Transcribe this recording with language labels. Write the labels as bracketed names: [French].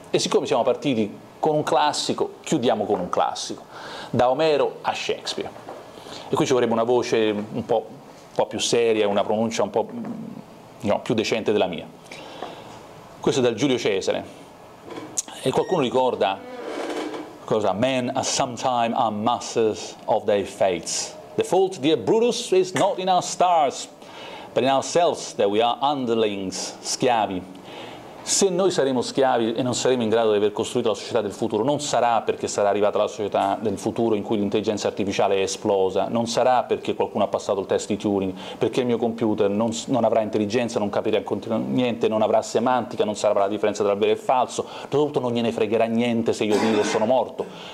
[Italian] E siccome siamo partiti con un classico, chiudiamo con un classico, da Omero a Shakespeare. E qui ci vorrebbe una voce un po' più seria, una pronuncia un po' più decente della mia. Questo è dal Giulio Cesare. E qualcuno ricorda cosa? [English] Men are sometimes masters of their fates. The fault, dear Brutus, is not in our stars, but in ourselves that we are underlings, schiavi. [Italian] Se noi saremo schiavi e non saremo in grado di aver costruito la società del futuro, non sarà perché sarà arrivata la società del futuro in cui l'intelligenza artificiale è esplosa, non sarà perché qualcuno ha passato il test di Turing, perché il mio computer non avrà intelligenza, non capirà niente, non avrà semantica, non saprà la differenza tra vero e falso, soprattutto non gliene fregherà niente se io vivo o sono morto.